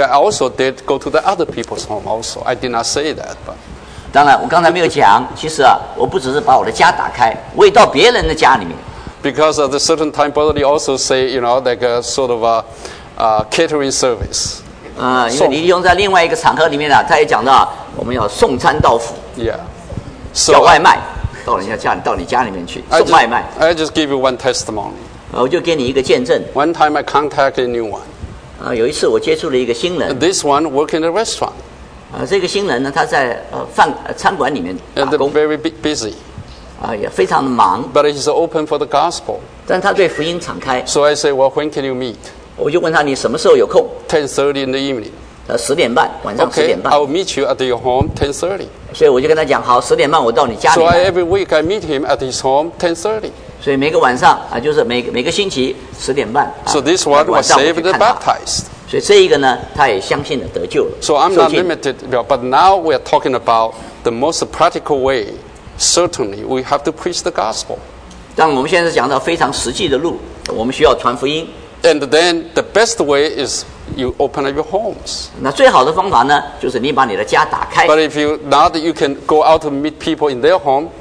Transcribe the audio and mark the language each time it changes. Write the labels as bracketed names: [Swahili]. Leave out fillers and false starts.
[English] I also did go to the other people's home also. I did not say that, but. [Chinese] 当然，我刚才没有讲。其实，我不只是把我的家打开，我也到别人的家里面。 [English] Because at a certain time, Brother Lee also say, you know, like a sort of a catering service. [Chinese] 因为黎弟兄在另外一个场合里面呢，他也讲到我们要送餐到府，叫外卖。到人家家里，到你家里面去送外卖。 [English] I just give you one testimony. [Chinese] 我就给你一个见证。 [English] One time I contacted a new one. [Chinese] 有一次我接触了一个新人。 [English] This one working in a restaurant. [Chinese] 这个新人呢，他在饭餐馆里面打工。 [English] Very busy. [Chinese] 也非常的忙。 [English] But he's open for the gospel. [Chinese] 但他对福音敞开。 [English] So I say, well, when can you meet? [Chinese] 我就问他你什么时候有空？ [English] 10:30 in the evening. [Chinese] 10:30，晚上10:30。 [English] Okay, I will meet you at your home 10:30. [Chinese] 所以我就跟他讲，好，10:30我到你家里。 [English] So every week I meet him at his home 10:30. [Chinese] 所以每个晚上，就是每个星期10:30。 [English] So this one was saved and baptized. [Chinese] 所以这一个呢，他也相信了，得救了。 [English] So I'm not limited, but now we are talking about the most practical way. Certainly, we have to preach the gospel. [Chinese] 但我们现在讲到非常实际的路，我们需要传福音。 [English] And then the best way is you open up your homes. [Chinese] 那最好的方法呢，就是你把你的家打开。 [English] But if you not, you can go out to meet people in their home.